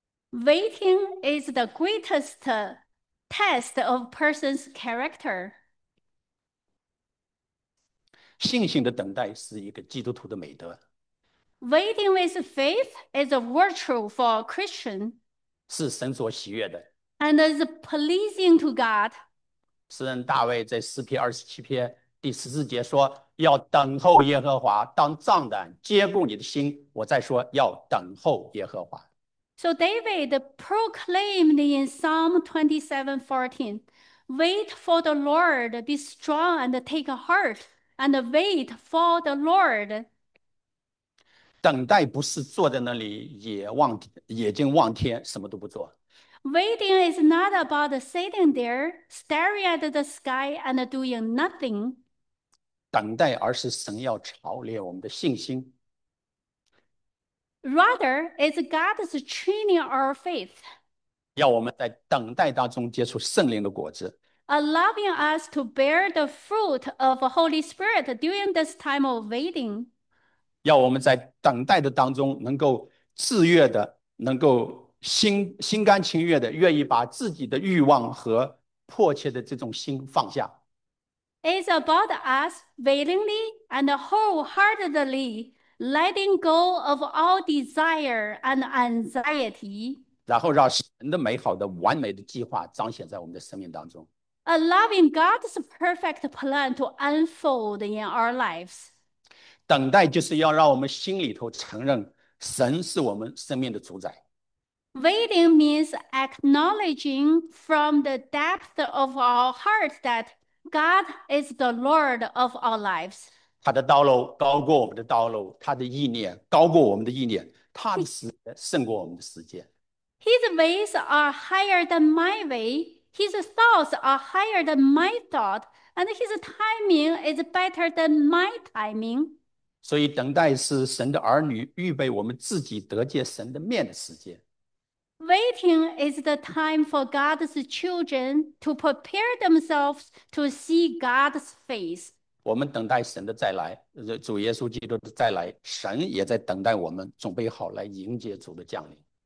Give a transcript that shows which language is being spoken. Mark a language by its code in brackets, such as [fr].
[en] Waiting is the greatest test of person's character. [zh] 信心的等待是一个基督徒的美德。 [en] Waiting with faith is a virtue for a Christian [zh] 是神所喜悦的。 [en] and is pleasing to God. [zh] 诗人大卫在诗篇27篇第14节说：“要等候耶和华，当重担接过你的心。” 我再说：“要等候耶和华。 [en] So David proclaimed in Psalm 27:14, Wait for the Lord, be strong and take heart, and wait for the Lord. [zh] ”等待不是坐在那里眼睛望天，什么都不做。 [en] Waiting is not about sitting there, staring at the sky and doing nothing. [zh] 等待，而是神要操练我们的信心。 [en] Rather, it's God's training our faith, [zh] 要我们在等待当中结出圣灵的果子。 [en] allowing us to bear the fruit of the Holy Spirit during this time of waiting. [zh] 要我们在等待的当中，能够自愿的，能够心甘情愿的，愿意把自己的欲望和迫切的这种心放下。 [en] It's about us willingly and wholeheartedly letting go of all desire and anxiety. [zh] 然后让神的美好的、完美的计划彰显在我们的生命当中。 [en] Allowing God's perfect plan to unfold in our lives. [zh] 等待就是要让我们心里头承认，神是我们生命的主宰。 [en] Waiting means acknowledging from the depth of our heart that God is the Lord of our lives. [zh] 他的道路高过我们的道路，他的意念高过我们的意念，他的时间胜过我们的时间。 [en] His ways are higher than my way, his thoughts are higher than my thought, and his timing is better than my timing. [zh] 所以，等待是神的儿女预备我们自己得见神的面的时间。 [en] Waiting is the time for God's children to prepare themselves to see God's face. [zh] 我们等待神的再来，主耶稣基督的再来，神也在等待我们，准备好来迎接主的降临。